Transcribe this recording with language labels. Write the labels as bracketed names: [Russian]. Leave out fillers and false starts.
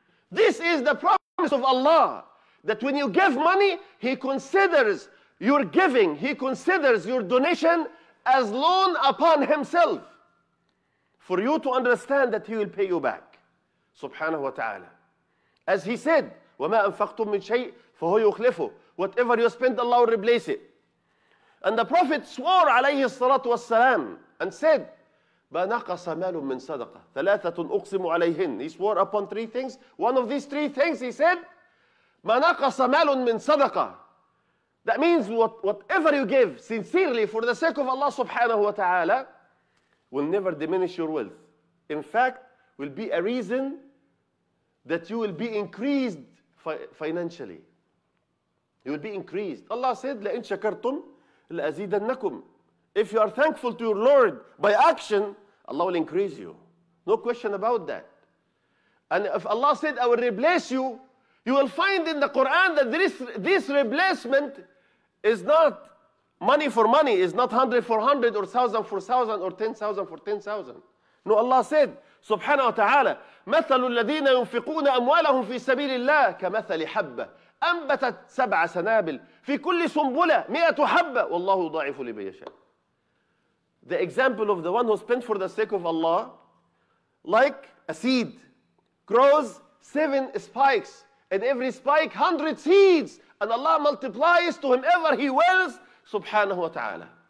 [English] This is the promise of Allah, that when you give money, He considers your giving, He considers your donation as loan upon Himself for you to understand that He will pay you back, subhanahu wa ta'ala. As He said, [Arabic] وَمَا أَنْفَقْتُمْ مِنْ شَيْءٍ فَهُوَ يُخْلِفُهُ. [English] Whatever you spend, Allah will replace it. And the Prophet swore alayhi salatu wasalam and said, [Arabic] بَنَقَصَ مَالٌ مِّنْ صَدَقَةٍ ثَلَاثَةٌ أُقْسِمُ عَلَيْهِنْ. [English] He swore upon three things. One of these three things, he said, [Arabic] بَنَقَصَ مَالٌ مِّنْ صَدَقَةٍ. [English] That means whatever you give sincerely for the sake of Allah subhanahu wa ta'ala will never diminish your wealth. In fact, will be a reason that you will be increased financially. You will be increased. Allah said, [Arabic] لَإِن شَكَرْتُمْ لَأَزِيدَنَّكُمْ. [English] If you are thankful to your Lord by action, Allah will increase you. No question about that. And if Allah said, I will replace you, you will find in the Quran that this replacement is not money for money, is not 100 for 100 or 1,000 for 1,000 or 10,000 for 10,000. No, Allah said, subhanahu wa ta'ala, [Arabic] مَثَلُ الَّذِينَ يُنْفِقُونَ أَمْوَالَهُمْ فِي سَبِيلِ اللَّهِ كَمَثَلِ حَبَّةِ أَنْبَتَتْ سَبْعَ سَنَابِلْ فِي كُلِّ سُنْبُلَةٍ مِئَةُ حَبَّةٍ وَاللَّهُ يُضَاعِفُ لِمَنْ يَشَاءُ. [English] The example of the one who spent for the sake of Allah, like a seed, grows seven spikes, and every spike 100 seeds, and Allah multiplies to whomever He wills, subhanahu wa ta'ala.